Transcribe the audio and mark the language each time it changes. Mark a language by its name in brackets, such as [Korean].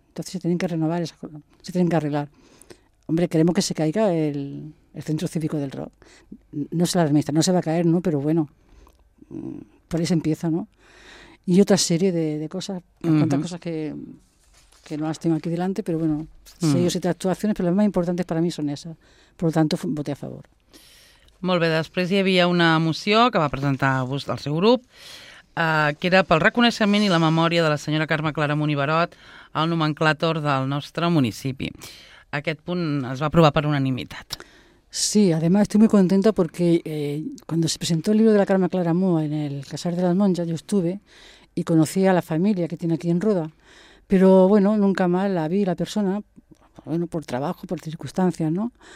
[Spanish] Entonces se tienen que renovar esas columnas, se tienen que arreglar. Hombre, queremos que se caiga el centro cívico del Rock. No se la administra, no se va a caer, ¿no? Pero bueno, por ahí se empieza, ¿no? Y otra serie de cosas, cuantas cosas que no las tengo aquí delante, pero bueno, 6 o 7 actuaciones, pero las más importantes para mí son esas. Por lo tanto, voté a favor. [Catalan] Molt bé, després hi havia una moció que va presentar el seu grup, que era pel reconeixement i la memòria de la senyora Carme Claramunt i Barot al nomenclàtor del nostre municipi. Aquest punt es va aprovar per unanimitat. [Spanish] Sí, además estoy muy contenta porque cuando se presentó el libro de la Carme Claramunt en el Casar de las Monjas, yo estuve y conocí a la familia que tiene aquí en Roda, pero bueno, nunca más la vi, la persona, bueno, por trabajo, por circunstancias, ¿no?